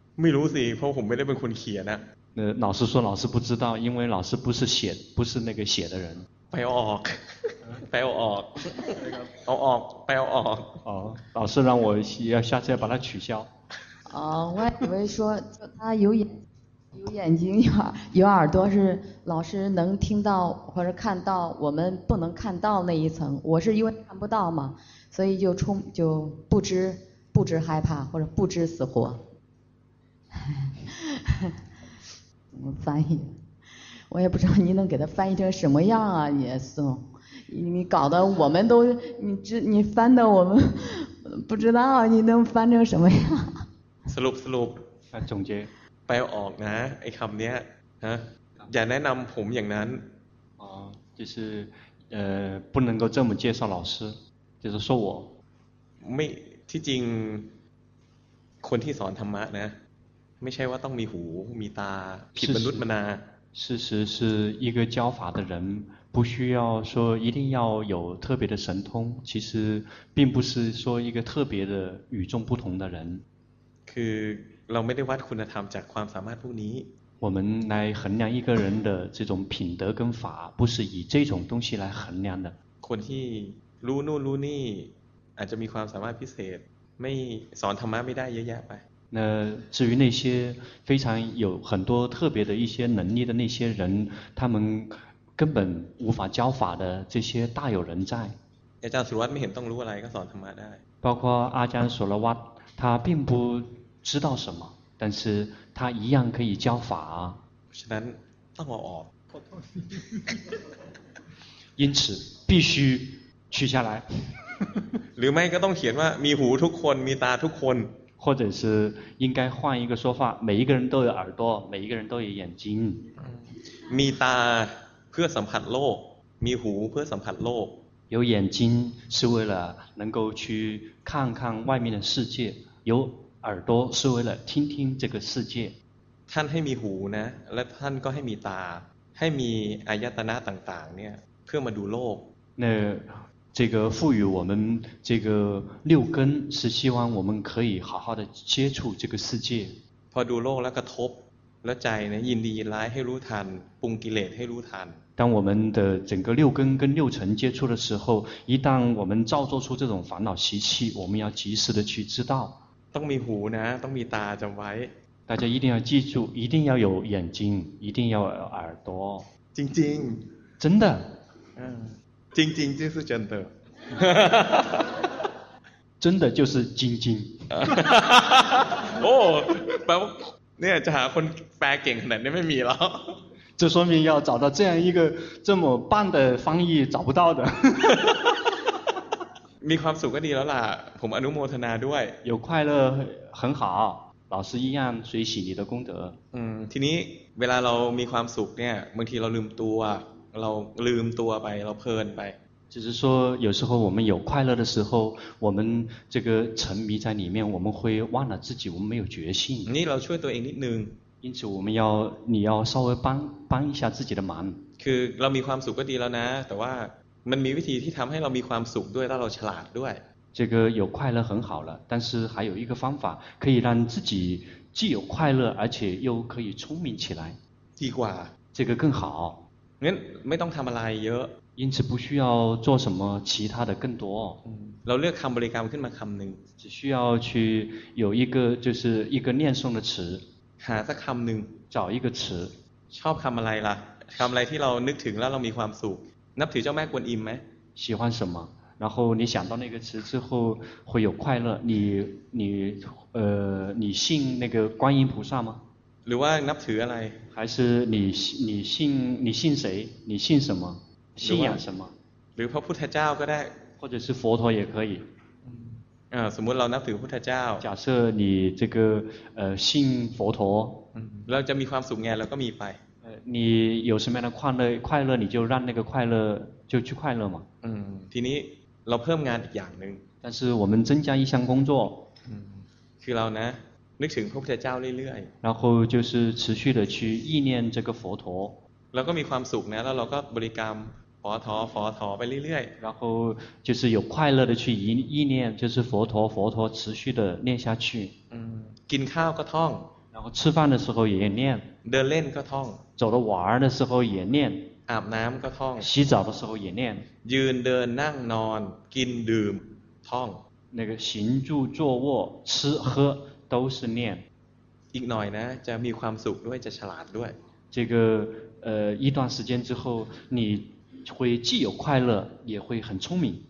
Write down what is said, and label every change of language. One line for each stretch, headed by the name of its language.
Thai: ไม่รู้สิเพราะผมไม่ได้เป็นคนเขียนนะ
Chinese: 老师说老师不知道因为老师不是那个写的人
Thai: ไปออกไปออกเอาออกไปออก
Chinese: 老师让我要下次要把它取消我以为说他有眼睛有耳朵是老师能听到或者看到我们不能看到那一层，我是因为看不到嘛，所以就不知害怕或者不知死活。怎么翻译，我也不知道你能给他翻译成什么样啊，你宋，你搞得我们都你翻的我们不知道你能翻成什么样。 Sloop 总结
Thai: ไปออกนะไอ้คำเนี้ยฮะอย่าแนะนำผมอย่างนั้น
Chinese: อ๋อ就是不能够这么介绍老师就是说我
Thai: ไม่ที่จริงคนที่สอนธรรมะนะไม่ใช่ว่าต้องมีหูมีตาผิดมนุษย์มนา
Chinese: 事实是一个教法的人不需要说一定要有特别的神通其实并不是说一个特别的与众不同的人
Thai: คือเราไม่ได้วัดคุณธรรมจากความสามารถพวกนี้
Chinese: 我们来衡量一个人的这种品德跟法不是以这种东西来衡量的
Thai: คนที่รู้นู่นรู้นี่อาจจะมีความสามารถพิเศษไม่สอนธรรมะไม่ได้เยอะแยะไป
Chinese: 那至于那些非常有很多特别的一些能力的那些人他们根本无法教法的这些大有人在
Thai: อาจารย์สุรวัตรไม่เห็นต้องรู้อะไรก็สอนธรรมะได้
Chinese: 包括อาจารย์สุรวัตร他并不知道什么但是他一样可以教法
Thai: ฉะนั้นต้องออก
Chinese: 因此必须取下来
Thai: หรือไม่ก็ต้องเขียนว่ามีหูทุกคนมีตาทุกคน
Chinese: 或者是应该换一个说法每一个人都有耳朵每一个人都有眼睛
Thai: มีตาเพื่อสัมผัสโลก มีหูเพื่อสัมผัสโลก
Chinese: 有眼睛是为了能够去看看外面的世界有耳朵是为了听听这个世界
Thai: ท่านให้มีหูนะและท่านก็ให้มีตาให้มีอายตนะต่างๆเนี่ยเพื่อมาดูโลก
Chinese: 那这个赋予我们这个六根是希望我们可以好好的接触这个世界
Thai: พอดูโลกแล้วกระทบแล้วใจเนี่ยยินดียินร้ายให้รู้ทันปรุงกิเลสให้รู้ทัน
Chinese: 当我们的整个六根跟六尘接触的时候一旦我们造作出这种烦恼习气我们要及时的去知道
Thai: ต้องมีหูนะต้องมีตาจำไว้
Chinese: 大家一定要记住一定要有眼睛一定要有耳朵
Thai: จริง
Chinese: ๆ真的
Thai: จริงๆ
Chinese: 就是真的真的就是精进
Thai: 哦แปลว่าเนี่ยจะหาคนแปลเก่งขนาดนี้ไม่มีแล้ว
Chinese: 这说明要找到这样一个这么棒的翻译找不到的
Thai: มีความสุขก็ดีแล้วล่ะผมอนุโมทนาด้วย
Chinese: 有快乐很好老师一样随喜你的功德
Thai: ทีนี้เวลาเรามีความสุขเนี่ยบางทีเราลืมตัวเราลืมตัวไปเราเพลินไป
Chinese: 就是说有时候我们有快乐的时候我们这个沉迷在里面我们会忘了自己我们没有觉性
Thai: นี่เราช่วยตัวเองนิดนึง
Chinese: 因此我们要你要稍微帮一下自己的忙
Thai: คือเรามีความสุขก็ดีแล้วนะแต่ว่ามันมีวิธีที่ทำให้เรามีความสุขด้วยแล้วเราฉลาดด้วย
Chinese: 这个有快乐很好了但是还有一个方法可以让自己既有快乐而且又可以聪明起来
Thai: ดีกว่า
Chinese: 这个更好
Thai: งั้นไม่ต้องทำอะไรเยอะ
Chinese: 因此不需要做什么其他的更多
Thai: เราเลือกคำบริกรรมขึ้นมาคำหนึ่ง
Chinese: 只需要去有一个就是一个念诵的词
Thai: หาสักคำหนึ่ง
Chinese: 找一个词
Thai: ชอบคำอะไรล่ะคำอะไรที่เรานึกถึงแล้วเรามีความสุขนับถือเจ้าแม่กวนอิมไหม
Chinese: 喜欢什么然后你想到那个词之后会有快乐你信那个观音菩萨吗
Thai: หรือว่านับถืออะไร
Chinese: 还是你信谁你信什么信仰什么
Thai: หรือพระพุทธเจ้าก็ได้
Chinese: 或者是佛陀也可以
Thai: สมมติเรานับถือพุทธเจ้า
Chinese: 假设你这个信佛陀
Thai: เราจะมีความสุขไงเราก็มีไป
Chinese: 你有什么样的快乐你就让那个快乐就去快乐嘛
Thai: ทีนี้เราเพิ่มงานอีกอย่างนึง
Chinese: 但是我们增加一项工作
Thai: คือเรานะนึกถึงพระพุทธเจ้าเรื่อย
Chinese: ๆ然后就是持续的去意念这个佛陀
Thai: แล้วก็มีความสุขนะแล้วเราก็บริกรรมฟอทอไปเรื่อย
Chinese: ๆ然后就是有快乐的去意念就是佛陀持续的念下去
Thai: กินข้าวก็ท่อง
Chinese: 然后吃饭的时候也念
Thai: เดินเล่นก็ท่อง
Chinese: 走了玩的时候也念
Thai: อาบน้ำก็ท่อง
Chinese: 洗澡的时候也念
Thai: ยืนเดินนั่งนอนกินดื่มท่อง
Chinese: 那个行住坐卧吃喝都是念
Thai: อีกหน่อยนะจะมีความสุขด้วยจะฉลาดด้วย
Chinese: 这个一段时间之后你会既有快乐也会很聪明